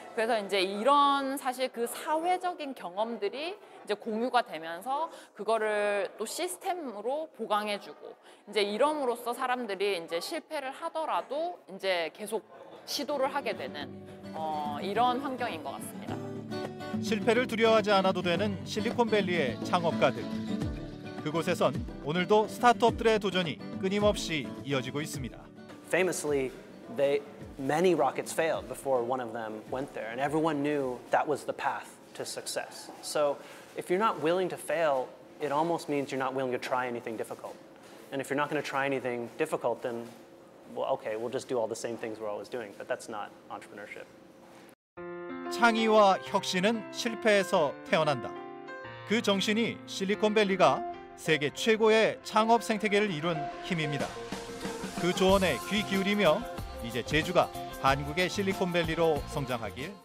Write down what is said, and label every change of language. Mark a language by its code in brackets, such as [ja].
[ko] 그래서 이제 이런 사실 그 사회적인 경험들이 이제 공유가 되면서 그거를 또 시스템으로 보강해주고 이제 이러므로써 사람들이 이제 실패를 하더라도 이제 계속 시도를 하게 되는 이런 환경인 것 같습니다. 실패를 두려워하지 않아도 되는 실리콘밸리의 창업가들. 그곳에선 오늘도 스타트업들의 도전이 끊임없이 이어지고 있습니다. [en] Famously, many rockets failed before one of them went there, and everyone knew that was the path to success. So, if you're not willing to fail, it almost means you're not willing to try anything difficult. And if you're not going to try anything difficult, then, well, okay, we'll just do all the same things we're always doing. But that's not entrepreneurship. [ko] 창의와 혁신은 실패에서 태어난다. 그 정신이 실리콘밸리가 세계 최고의 창업 생태계를 이룬 힘입니다. 그 조언에 귀 기울이며 이제 제주가 한국의 실리콘밸리로 성장하길.